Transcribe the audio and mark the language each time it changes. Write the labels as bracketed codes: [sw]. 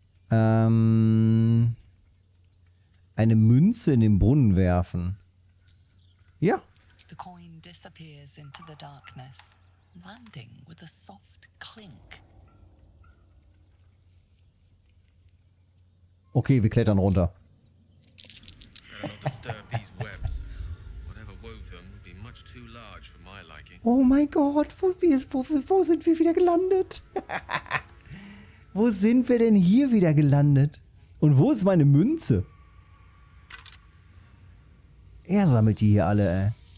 [de] Eine Münze in den Brunnen werfen. Ja. [en] The coin disappears into the darkness, landing with a soft clink. [de] Okay, wir klettern runter. [en] Do not disturb these webs. Whatever wove them would be much too too large for my liking. [de] Oh mein Gott, wo sind wir wieder gelandet? Wo sind wir denn hier wieder gelandet? Und wo ist meine Münze? Er sammelt die hier alle, ey.